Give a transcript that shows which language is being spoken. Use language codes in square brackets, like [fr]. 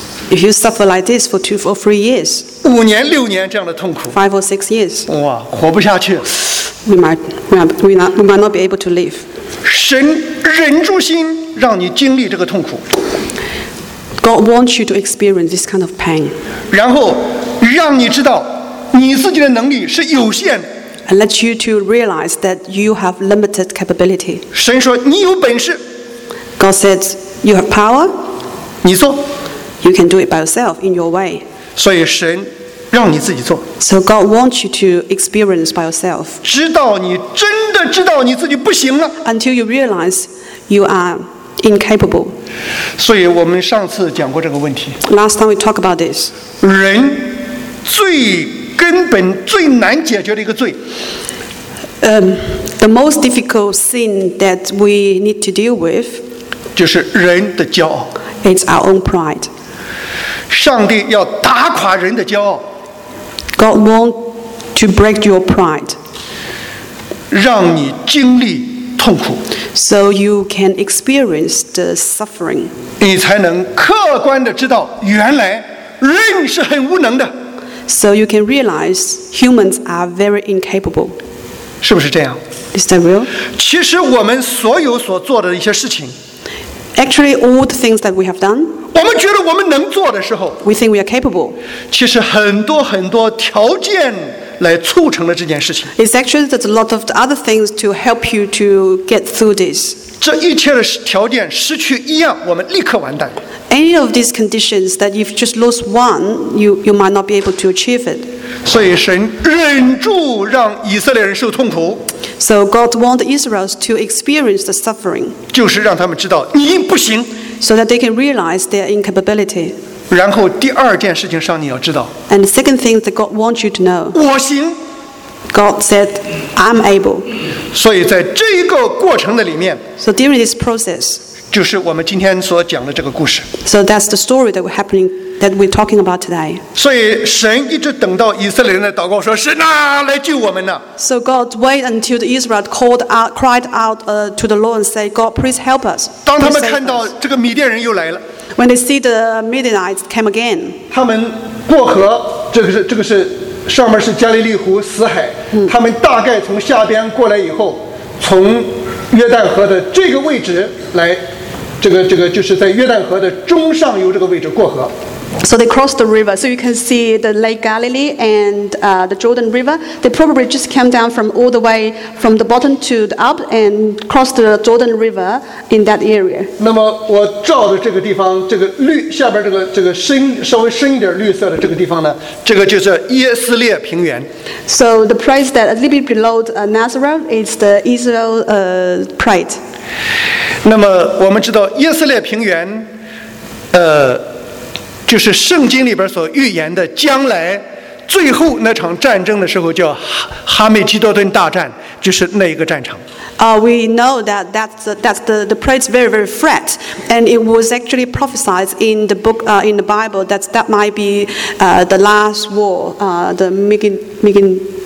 [en] If you suffer like this for 2 or 3 years, [zh] 五年六年这样的痛苦， [en] 5 or 6 years, [zh] 哇，活不下去。 [en] We might not be able to live. [zh] 神忍住心让你经历这个痛苦。 [en] God wants you to experience this kind of pain. [zh] 然后让你知道你自己的能力是有限的。 [en] And let you to realize that you have limited capability. [zh] 神说你有本事。 [en] God said,You have power. [zh] 你做。 [en] You can do it by yourself in your way. [zh] 所以神让你自己做。 [en] So God wants you to experience by yourself. [zh] 直到你真的知道你自己不行了。 [en] Until you realize you are incapable. [zh] 所以我们上次讲过这个问题。 [en] Last time we talked about this. [zh] 人最根本、最难解决的一个罪。 [en] The most difficult sin that we need to deal with. [zh] 就是人的骄傲。 [en] It's our own pride. [zh] 上帝要打垮人的骄傲。 [en] God wants to break your pride. [zh] 让你经历痛苦。 [en] So you can experience the suffering. [zh] 你才能客观地知道，原来人是很无能的。 [en] So you can realize humans are very incapable. [zh] 是不是这样？ [en] Is that real? [zh] 其实我们所有所做的一些事情。 [en] Actually, all the things that we have done, [zh] 我们觉得我们能做的时候， [en] we think we are capable. [zh] 其实很多很多条件来促成了这件事情。 [en] It's actually that a lot of the other things to help you to get through this. [zh] 这一切的条件失去一样，我们立刻完蛋。 [en] Any of these conditions that you've just lost one, you might not be able to achieve it. [zh] 所以神忍住让以色列人受痛苦。 [en] So God wants Israel to experience the suffering. [zh] 就是让他们知道你不行。 [en] So that they can realize their incapability. [zh] 然后第二件事情上你要知道。 [en] And the second thing that God wants you to know. [zh] 我行。 [en] God said, I'm able. [zh] 所以在这一个过程的里面。 [en] So during this process. [zh] 就是我们今天所讲的这个故事。 [en] So that's the story that we're happening. That we're talking about today. [zh] 所以神一直等到以色列人的祷告说，神啊，来救我们呢。 [en] So God wait until the Israel cried out to the Lord and say, God, please help us. [zh] 当他们看到这个米甸人又来了。 [en] When they see the Midianites came again. [zh] 他们过河，这个是上面是加利利湖死海，他们大概从下边过来以后，从约旦河的这个位置来，这个就是在约旦河的中上游这个位置过河。 [en] So they crossed the river. So you can see the Lake Galilee and the Jordan River. They probably just came down from all the way from the bottom to the up and crossed the Jordan River in that area. [zh] 那么我照的这个地方，这个绿下边这个深稍微深一点绿色的这个地方呢，这个就是耶斯列平原。 [en] So the place that a little bit below Nazareth is the Israel Plain. [zh] 那么我们知道耶斯列平原，就是圣经里边所预言的将来最后那场战争的时候，叫哈梅基多顿大战，就是那一个战场。 [en] We know that that's the place very very flat, and it was actually prophesied in the book in the Bible that might be the last war, the Megiddo.